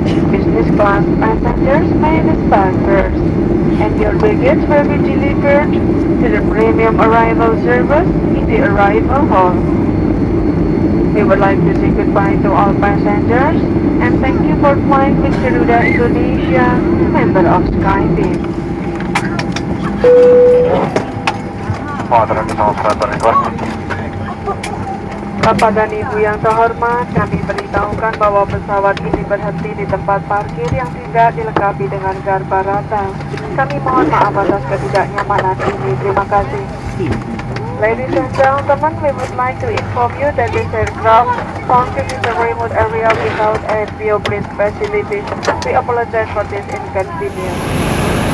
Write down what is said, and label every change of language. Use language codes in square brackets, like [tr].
[en] Business class passengers may respond first, and your baggage will be delivered to the premium arrival service in the arrival hall. We would like to say goodbye to all passengers, and thank you for flying with Garuda Indonesia, member of SkyTeam. [id] Bapak dan Ibu yang terhormat, kami beritahukan bahwa pesawat ini berhenti di tempat parkir yang tidak dilengkapi dengan garba rata. Kami mohon maaf atas ketidaknyamanan ini. Terima kasih. [en] Ladies and gentlemen, we would like to inform you that this aircraft parked in the remote area without a BOP facility. We apologize for this inconvenience.